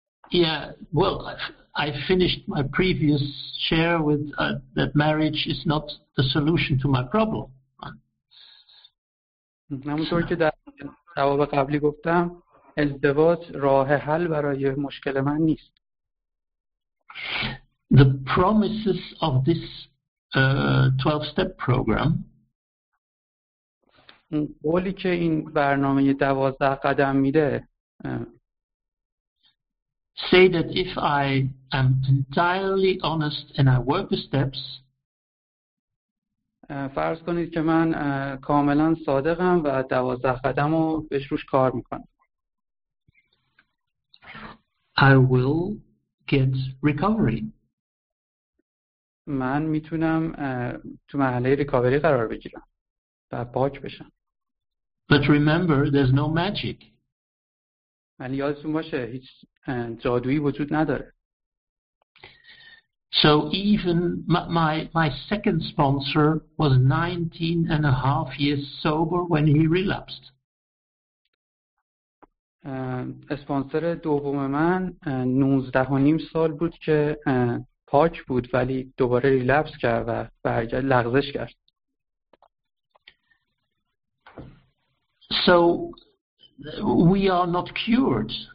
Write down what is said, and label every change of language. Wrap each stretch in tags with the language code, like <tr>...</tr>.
<en>Yeah, well, I finished my previous share with that marriage is not the solution to my problem.</en> <fa>همونطور که در جواب قبلی گفتم، ازدواج راه حل برای مشکل من نیست.</fa> <en>The promises of this 12-step program.</en> <fa>قولی که این برنامه 12 قدم میده.</fa> <en>Say that if I am entirely honest and I work the steps.</en> <fa>فرض کنید که من کاملا صادقم و 12 قدم رو بهش روش کار میکنم.</fa> <en>I will get recovery.</en> <fa>من میتونم تو مرحله ریکاوری قرار بگیرم و پاک بشم.</fa> <en>But remember, there's no magic.</en> <fa>ولی یادتون باشه هیچ جادویی وجود نداره.</fa> <en>So even my second sponsor was 19 and a half years sober when he relapsed.</en> <fa>اسپانسر دوم من 19 و نیم سال بود که پاک بود ولی دوباره ریلپس کرد و برگشت لغزش کرد.</fa> <en>So we are not cured.</en>